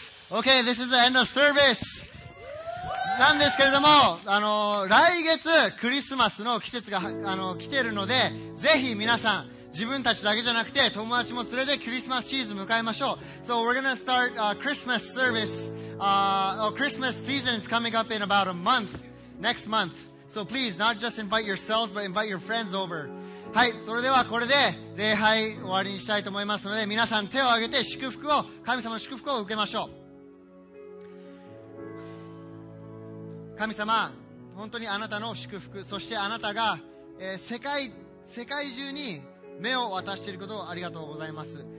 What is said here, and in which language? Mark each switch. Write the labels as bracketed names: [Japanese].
[English] Okay, this is the end of service. [Japanese] なんですけれども、来月クリスマスの季節が来ているので、ぜひ皆さん自分たちだけじゃなくて友達も連れてクリスマスシーズン迎えましょう。 [English] So we're gonna start Christmas service. Christmas season is coming up in about a month, next month. So please not just invite yourselves, but invite your friends over. [Japanese] はい、それではこれで礼拝終わりにしたいと思いますので、皆さん手を挙げて祝福を神様の祝福を受けましょう。神様、本当にあなたの祝福、そしてあなたが、世界中に目を渡していることをありがとうございます。